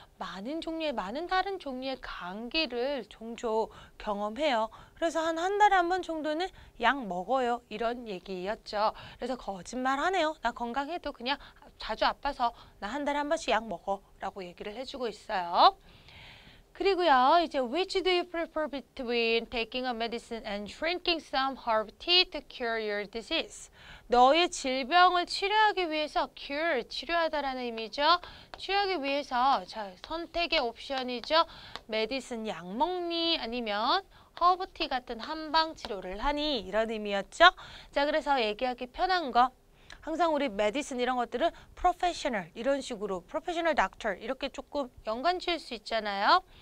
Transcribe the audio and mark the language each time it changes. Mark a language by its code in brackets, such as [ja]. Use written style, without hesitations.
[ko] 많은 다른 종류의 감기를 종종 경험해요. 그래서 한 달에 한 번 정도는 약 먹어요. 이런 얘기였죠. 그래서 거짓말하네요. 나 건강해도 그냥 자주 아파서 나 한 달에 한 번씩 약 먹어 라고 얘기를 해주고 있어요. 그리고요. 이제 [en] Which do you prefer between taking a medicine and drinking some herb tea to cure your disease? [ko] 너의 질병을 치료하기 위해서 cure, 치료하다라는 의미죠. 치료하기 위해서 자 선택의 옵션이죠. 메디슨 약 먹니 아니면 허브티 같은 한방 치료를 하니 이런 의미였죠. 자 그래서 얘기하기 편한 거 항상 우리 메디슨 이런 것들은 프로페셔널 이런 식으로 프로페셔널 닥터 이렇게 조금 연관 지을 수 있잖아요.